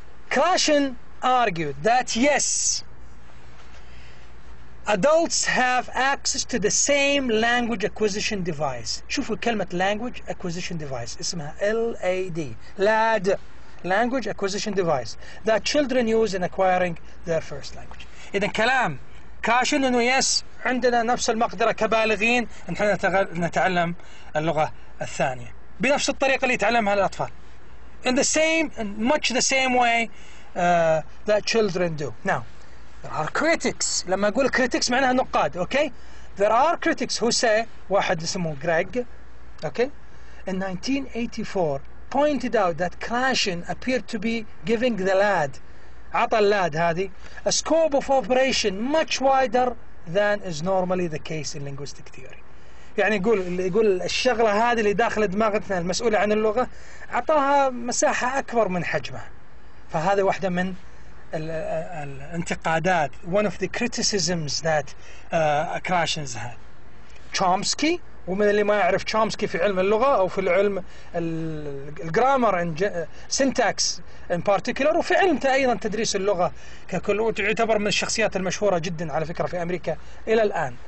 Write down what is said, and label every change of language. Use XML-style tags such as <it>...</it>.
<en>Krashen argued that yes, adults have access to the same language acquisition device.</en> <ar>شوفوا كلمة</ar> <en>language acquisition device</en> <ar>اسمها</ar> <en>LAD LAD language acquisition device that children use in acquiring their first language.</en> <ar>إذن كلام كاشن إنه yes عندنا نفس المقدرة كبالغين نحن نتعلم اللغة الثانية بنفس الطريقة اللي يتعلمها الأطفال</ar> <en>in the same much the same way that children do. Now there are critics.</en> <ar>لما أقول critics معناها نقاد.</ar> <en>Okay, there are critics who say</en> <ar>واحد اسمه</ar> <en>Greg. Okay, in 1984 pointed out that Krashen appeared to be giving the lad</en> <ar>عطى اللاد هذه</ar> <en>a scope of operation much wider than is normally the case in linguistic theory.</en> <ar>يعني يقول الشغلة هذه اللي داخل دماغنا المسؤولة عن اللغة عطاها مساحة أكبر من حجمها. فهذه واحدة من الانتقادات</ar> <en>one of the criticisms that Krashen had.</en> <ar>Chomsky ومن اللي ما يعرف Chomsky في علم اللغة أو في العلم الجرامر</ar> <en>syntax in particular</en> <ar>وفي علم أيضا تدريس اللغة ككل وتعتبر من الشخصيات المشهورة جدا على فكرة في أمريكا إلى الآن.</ar>